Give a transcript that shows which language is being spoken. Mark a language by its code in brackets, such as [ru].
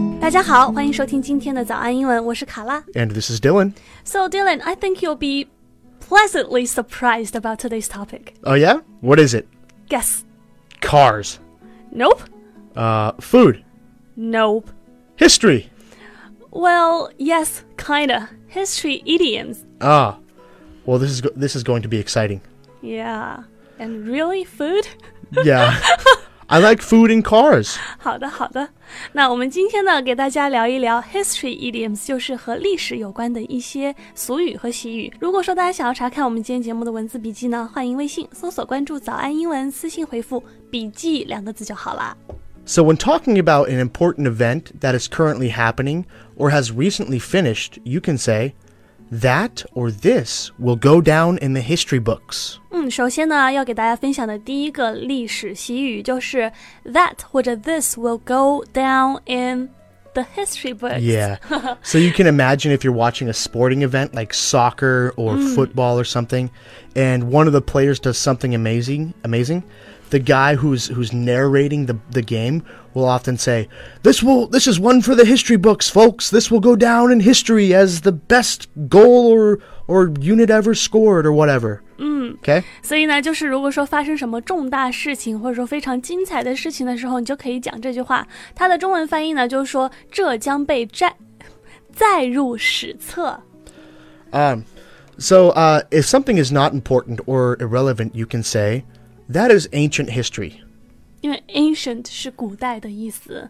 [zh] 家好，欢迎收听今天的早安英文，我是卡拉。 [en] And this is Dylan. So Dylan, I think you'll be pleasantly surprised about today's topic. Oh yeah? What is it? Guess. Cars. Nope. Food. Nope. History. Well, yes, kinda. History idioms. Ah, well this is going to be exciting. Yeah, and really food? Yeah. I like food in cars. [zh] 好的好的。那我们今天呢给大家聊一聊 [en] history idioms, [zh] 就是和历史有关的一些俗语和习语。如果说大家想要查看我们今天节目的文字笔记呢，欢迎微信搜索关注早安英文，私信回复笔记两个字就好了。 [en] So when talking about an important event that is currently happening or has recently finished, you can say, that or this will go down in the history books. [zh] 首先呢要给大家分享的第一个历史习语就是 [en] that [zh] 或者 [en] this will go down in the history books. Yeah, so you can imagine if you're watching a sporting event like soccer or football or something, and one of the players does something amazing,The guy who's narrating the game will often say, this is one for the history books, folks. This will go down in history as the best goal or unit ever scored or whatever. Okay? [zh] 所以呢就是如果说发生什么重大事情或者说非常精彩的事情的时候你就可以讲这句话。它的中文翻译呢就是说这将被载入史册。 [en] So, if something is not important or irrelevant, you can say,That is ancient history. [zh] 因为 ancient 是古代的意思。